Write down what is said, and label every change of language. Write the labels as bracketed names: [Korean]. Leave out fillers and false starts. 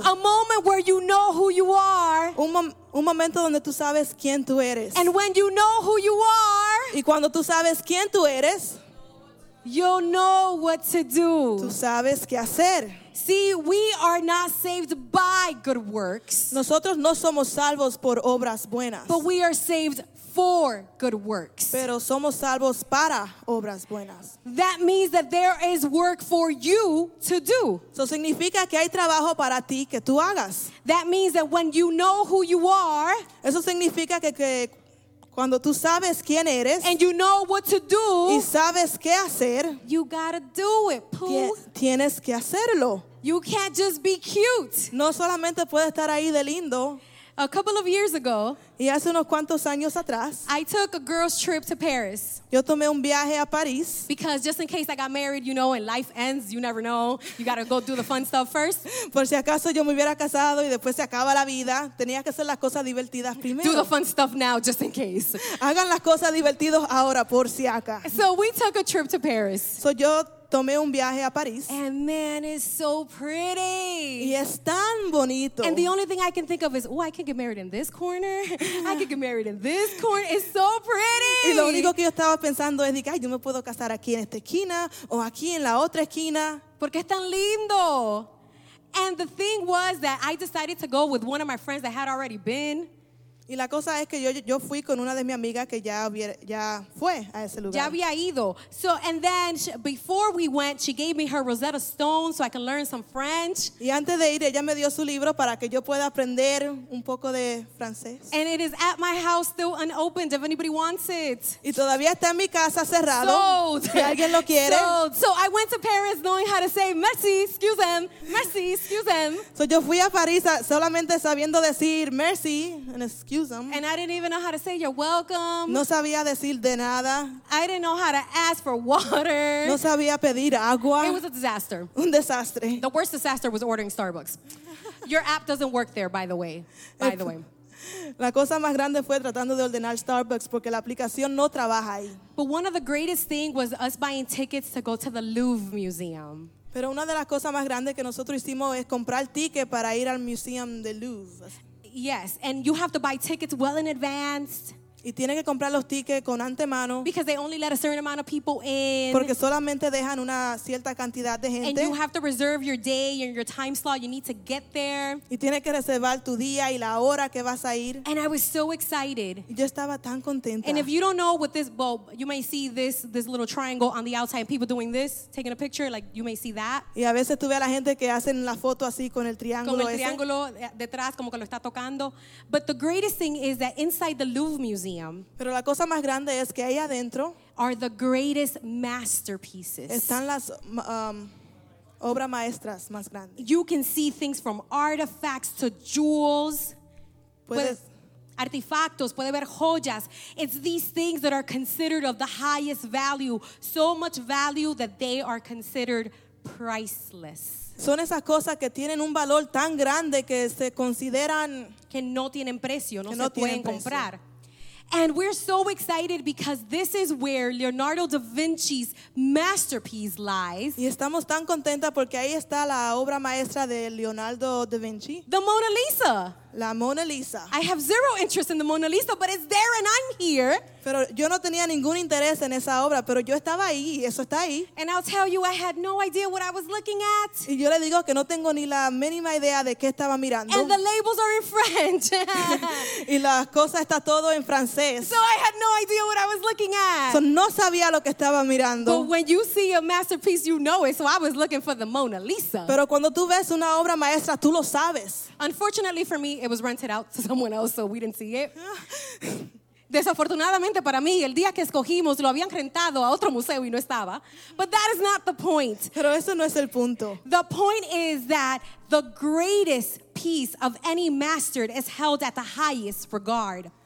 [English] A moment where you know who you are. [Spanish] Un momento donde tú sabes quién tú eres. [English] And when you know who you are, [Spanish] y cuando tú sabes quién tú eres, [English] you'll know what to do. [Spanish] Tú sabes qué hacer. [English] See, we are not saved by good works. [Spanish] Nosotros no somos salvos por obras buenas. [English] But we are saved for good works. [Spanish] Pero somos salvos para obras buenas. [English] That means that there is work for you to do. [Spanish] Eso significa que hay trabajo para ti que tú hagas. [English] That means that when you know who you are, [Spanish] eso significa que cuando tú sabes quién eres, [English] and you know what to do, [Spanish] y sabes qué hacer, [English] you gotta do it, Pooh. [Spanish] Tienes que hacerlo. [English] You can't just be cute. [Spanish] No solamente puedes estar ahí de lindo. [English] A couple of years ago, [Spanish] y hace unos cuantos años atrás, [English] I took a girl's trip to Paris. [Spanish] Yo tomé un viaje a París. [English] Because just in case I got married, you know, and life ends, you never know. You gotta go do the fun stuff first. [Spanish] Por si acaso yo me hubiera casado y después se acaba la vida, tenía que hacer las cosas divertidas primero. [English] Do the fun stuff now, just in case. [Spanish] Hagan las cosas divertidas ahora, por si acaso. [English] So we took a trip to Paris. [Spanish] So yo tomé un viaje a París. [English] And man, it's so pretty. [Spanish] Y es tan bonito. [English] And the only thing I can think of is, oh, I can get married in this corner. I can get married in this corner. It's so pretty. [Spanish] Y lo único que yo estaba pensando es, ay, yo me puedo casar aquí en esta esquina o aquí en la otra esquina. Porque es tan lindo. [English] And the thing was that I decided to go with one of my friends that had already been. [Spanish] Y la cosa es que yo fui con una de mis amigas que ya fue a ese lugar. Ya había ido. [English] So, and then before we went, she gave me her Rosetta Stone so I can learn some French. [Spanish] Y antes de ir, ella me dio su libro para que yo pueda aprender un poco de francés. [English] And it is at my house still unopened if anybody wants it. [Spanish] Y todavía está en mi casa cerrado. Si alguien lo quiere. [English] So I went to Paris knowing how to say merci, excuse them, merci, excuse them. [Spanish] So yo fui a París solamente sabiendo decir merci, [English] and excuse. And I didn't even know how to say you're welcome. [Spanish] No sabía decir de nada. [English] I didn't know how to ask for water. [Spanish] No sabía pedir agua. [English] It was a disaster. [Spanish] Un desastre. [English] The worst disaster was ordering Starbucks. Your app doesn't work there, by the way. By the way. [Spanish] La cosa más grande fue tratando de ordenar Starbucks porque la aplicación no trabaja ahí. [English] But one of the greatest things was us buying tickets to go to the Louvre Museum. [Spanish] Pero una de las cosas más grandes que nosotros hicimos es comprar ticket para ir al Museum de Louvre. [English] Yes, and you have to buy tickets well in advance. [Spanish] Y tiene que comprar los tickets con antemano. [English] Because they only let a certain amount of people in. [Spanish] Porque solamente dejan una cierta cantidad de gente. [English] And you have to reserve your day and your time slot. You need to get there. [Spanish] Y tiene que reservar tu día y la hora que vas a ir. [English] And I was so excited. [Spanish] Yo estaba tan contenta. [English] And if you don't know what this, well, you may see this little triangle on the outside. People doing this, taking a picture, like you may see that. [Spanish] Y a veces tú ves a la gente que hacen la foto así con el triángulo. Con el triángulo detrás, como que lo está tocando. [English] But the greatest thing is that inside the Louvre Museum. [Spanish] Pero la cosa más grande es que ahí adentro [English] are the greatest masterpieces. [Spanish] Están las obras maestras más grandes. [English] You can see things from artifacts to jewels. [Spanish] Artefactos, puede ver joyas. [English] It's these things that are considered of the highest value. So much value that they are considered priceless. [Spanish] Son esas cosas que tienen un valor tan grande que se consideran que no tienen precio, no se pueden comprar. [English] And we're so excited because this is where Leonardo da Vinci's masterpiece lies. [Spanish] Y estamos tan contentas porque ahí está la obra maestra de Leonardo da Vinci. [English] The Mona Lisa. [Spanish] La Mona Lisa. [English] I have zero interest in the Mona Lisa, but it's there and I'm here. [Spanish] Pero yo no tenía ningún interés en esa obra, pero yo estaba ahí y eso está ahí. [English] And I'll tell you, I had no idea what I was looking at. [Spanish] Y yo le digo que no tengo ni la mínima idea de qué estaba mirando. [English] And the labels are in French. [Spanish] Y la cosa está todo en francés. [English] So I had no idea what I was looking at. [Spanish] So no sabía lo que estaba mirando. [English] But when you see a masterpiece, you know it. So I was looking for the Mona Lisa. [Spanish] Pero cuando tú ves una obra maestra, tú lo sabes. [English] Unfortunately for me, it was rented out to someone else, so we didn't see it. [Spanish] Desafortunadamente para mí, el día que escogimos lo habían rentado a otro museo y no estaba. [English] But that is not the point. [Spanish] Pero eso no es el punto. [English] The point is that the greatest piece of any master is held at the highest regard.